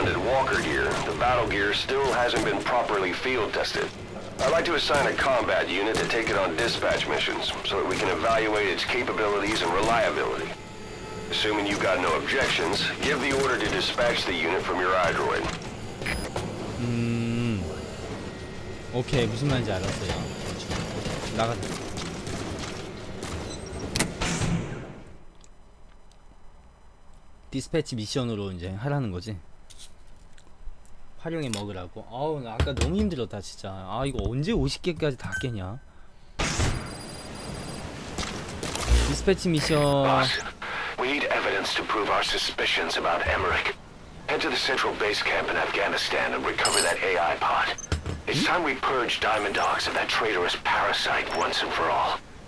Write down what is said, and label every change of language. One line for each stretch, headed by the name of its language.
English: Unlike the Walker gear, the battle gear still hasn't been properly field tested. I'd like to assign a combat unit to take it on dispatch missions so that we can evaluate its capabilities and reliability. Assuming you've got no objections, give the order to dispatch the unit from your iDroid.
Korean: 오케이, 무슨 말인지 알았어요. 나가자. 디스패치 미션으로 이제 하라는 거지. 활용해 먹으라고. 아우, 나 아까 너무 힘들었다 진짜. 아, 이거 언제 50개까지 다 깨냐. 디스패치 미션.
English: We need evidence to prove our suspicions about Emmerich. Head to the central base camp in Afghanistan and recover that AI pod. It's time we purge Diamond Dogs of that traitorous parasite once and for all.